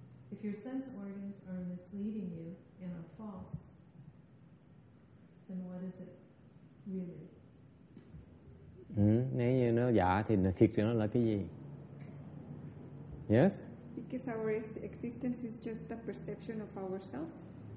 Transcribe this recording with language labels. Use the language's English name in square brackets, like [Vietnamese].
[English] If your sense organs are misleading you and are false, then what is it really? [Vietnamese] Nếu như nó giả thì nó thiệt thì nó là cái gì? [English] Yes? Because our existence is just the perception of ourselves.